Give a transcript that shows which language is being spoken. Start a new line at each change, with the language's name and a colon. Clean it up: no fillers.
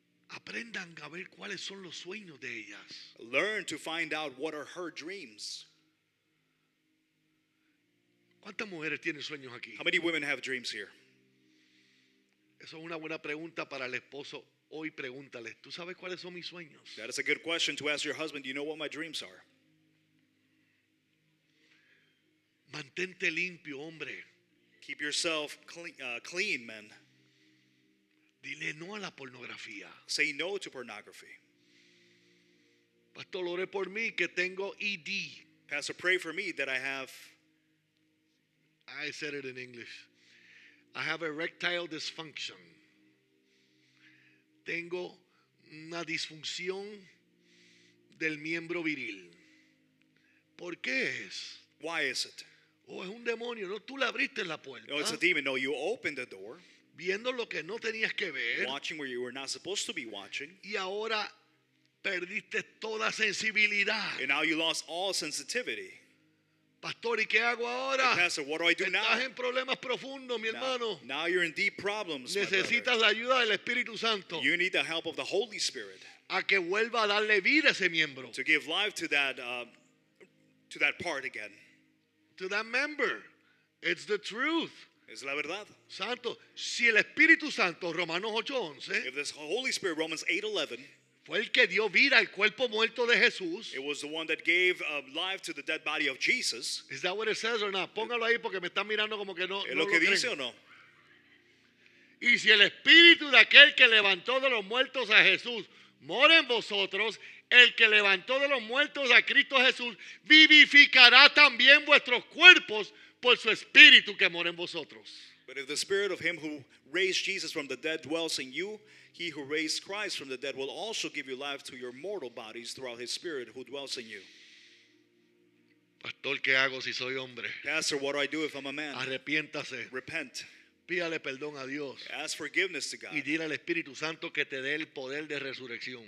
Spanish: Aprendan a ver cuáles son los sueños de ellas.
English: Learn to find out what are her dreams.
Spanish: ¿Cuántas mujeres tienen sueños aquí?
English: How many women have dreams here?
Spanish: Eso es una buena pregunta para el esposo. Hoy pregúntale, ¿tú sabes cuáles son mis sueños?
English: That is a good question to ask your husband. Do you know what my dreams are?
Spanish: Mantente limpio, hombre.
English: Keep yourself clean, man.
Spanish: Dile no a la pornografía.
English: Say no to pornography.
Spanish: Pastor, ore por mí que tengo ED.
English: Pastor, pray for me that I have... I said it in English. I have erectile dysfunction.
Spanish: Tengo una disfunción del miembro viril. ¿Por qué es?
English: Why is it?
Spanish: Oh, es un demonio. No, tú le abriste la puerta.
English: No, it's a demon. No, you opened the door.
Spanish: Viendo lo que no tenías que ver.
English: Watching where you were not supposed to be watching.
Spanish: Y ahora perdiste toda sensibilidad.
English: And now you lost all sensitivity.
Spanish: Pastor, ¿y qué hago ahora?
English: And pastor, what do I do
Spanish: now? Estás en problemas profundos, mi hermano.
English: Now you're in deep problems,
Spanish: necesitas la ayuda del Espíritu Santo.
English: You need the help of the Holy Spirit.
Spanish: A que vuelva a darle vida a ese miembro.
English: To give life to that part again. To that member. It's the truth.
Spanish: Es la verdad. Santo, si el Espíritu Santo, Romanos 8:11.
English: If this Holy Spirit, Romans 8:11.
Spanish: Fue el que dio vida al cuerpo muerto de Jesús.
English: It was the one that gave life to the dead body of Jesus. Is that what it says or not?
Spanish: Póngalo ahí porque me están mirando como que no. ¿Es lo que dice o no? Y si el espíritu de aquel que levantó de los muertos a Jesús mora en vosotros, el que levantó de los muertos a Cristo Jesús vivificará también vuestros cuerpos por su espíritu que mora en vosotros.
English: But if the spirit of him who raised Jesus from the dead dwells in you, he who raised Christ from the dead will also give you life to your mortal bodies throughout his spirit who dwells in you.
Spanish: Pastor, ¿qué hago si soy hombre?
English: Pastor, what do I do if I'm a man?
Spanish: Arrepiéntase.
English: Repent.
Spanish: Pídale perdón a Dios.
English: Ask forgiveness to God.
Spanish: Y dile al Espíritu Santo que te dé el poder de resurrección.